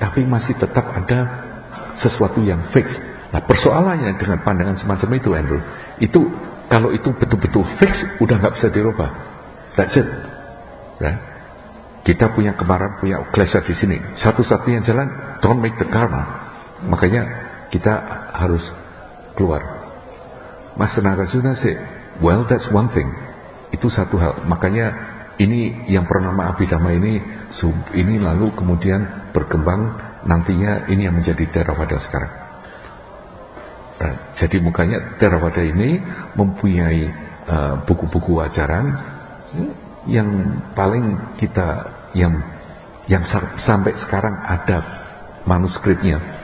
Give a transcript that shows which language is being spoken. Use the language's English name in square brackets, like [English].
[Indonesian] Tapi masih tetap ada sesuatu yang fix. Nah, persoalannya dengan pandangan semacam itu, Andrew, itu kalau itu betul-betul fix, udah gak bisa dirubah. [English] That's it, right? [Indonesian] Kita punya kemarahan, punya klesa di sini. Satu-satunya jalan, [English] don't make the karma. [Indonesian] Makanya kita harus keluar. [English] Mas Narasuna say, well, that's one thing. [Indonesian] Itu satu hal. Makanya ini yang bernama Abhidhamma ini, ini lalu kemudian berkembang, nantinya ini yang menjadi Theravada sekarang. Nah, jadi mukanya Theravada ini mempunyai buku-buku ajaran yang paling kita yang sampai sekarang ada manuskripnya.